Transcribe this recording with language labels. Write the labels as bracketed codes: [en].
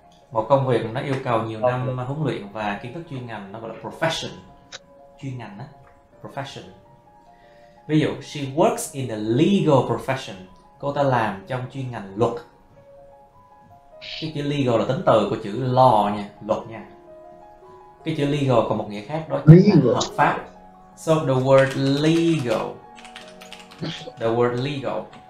[vi] Một công việc nó yêu cầu nhiều năm huấn luyện và kiến thức chuyên ngành, nó gọi là profession. Chuyên ngành á. Profession. Ví dụ, [en] she works in the legal profession. [vi] Cô ta làm trong chuyên ngành luật. Cái chữ legal là tính từ của chữ law nha, luật nha. Cái chữ legal còn một nghĩa khác đó chính là hợp pháp. [en] So the word legal. The word legal.